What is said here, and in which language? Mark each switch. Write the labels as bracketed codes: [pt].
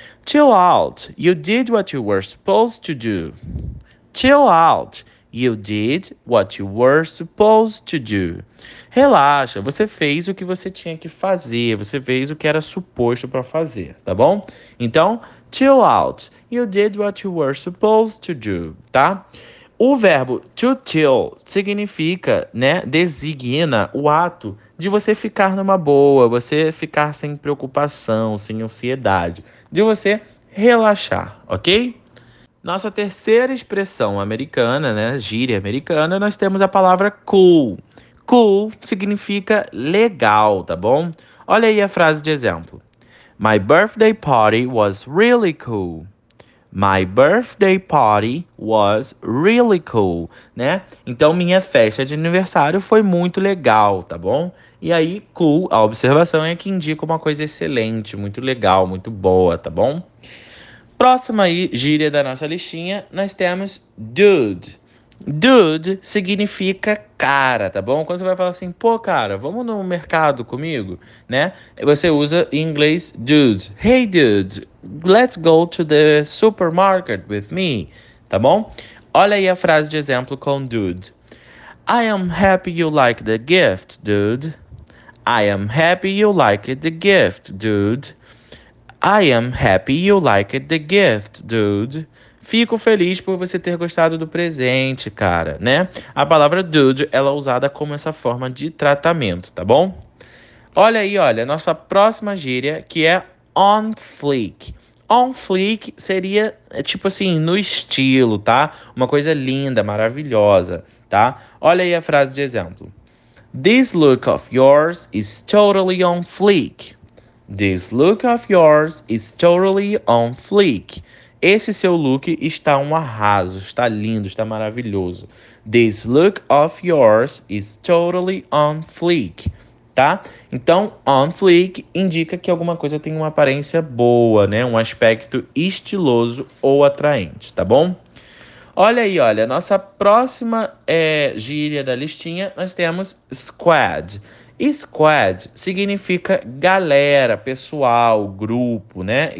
[en] Chill out, you did what you were supposed to do. Chill out, you did what you were supposed to do. [pt] Relaxa, você fez o que você tinha que fazer, você fez o que era suposto para fazer, tá bom? Então, [en] chill out, you did what you were supposed to do, tá? [pt] O verbo to chill significa, né, designa o ato de você ficar numa boa, você ficar sem preocupação, sem ansiedade, de você relaxar, ok? Nossa terceira expressão americana, né, gíria americana, nós temos a palavra cool. Cool significa legal, tá bom? Olha aí a frase de exemplo. [en] My birthday party was really cool. My birthday party was really cool, né? [pt] Então, minha festa de aniversário foi muito legal, tá bom? E aí, cool, a observação é que indica uma coisa excelente, muito legal, muito boa, tá bom? Próxima aí, gíria da nossa listinha, nós temos dude. Dude significa cara, tá bom? Quando você vai falar assim, pô, cara, vamos no mercado comigo, né? Você usa em inglês dude. [en] Hey, dude, let's go to the supermarket with me, [pt] tá bom? Olha aí a frase de exemplo com dude. [en] I am happy you like the gift, dude. I am happy you like the gift, dude. I am happy you like the gift, dude. [pt] Fico feliz por você ter gostado do presente, cara, né? A palavra dude, ela é usada como essa forma de tratamento, tá bom? Olha aí, olha, nossa próxima gíria, que é on fleek. On fleek seria, tipo assim, no estilo, tá? Uma coisa linda, maravilhosa, tá? Olha aí a frase de exemplo. [en] This look of yours is totally on fleek. This look of yours is totally on fleek. [pt] Esse seu look está um arraso, está lindo, está maravilhoso. [en] This look of yours is totally on fleek, tá? [pt] Então, on fleek indica que alguma coisa tem uma aparência boa, né? Um aspecto estiloso ou atraente, tá bom? Olha aí, olha, nossa próxima gíria da listinha, nós temos squad. Squad significa galera, pessoal, grupo, né?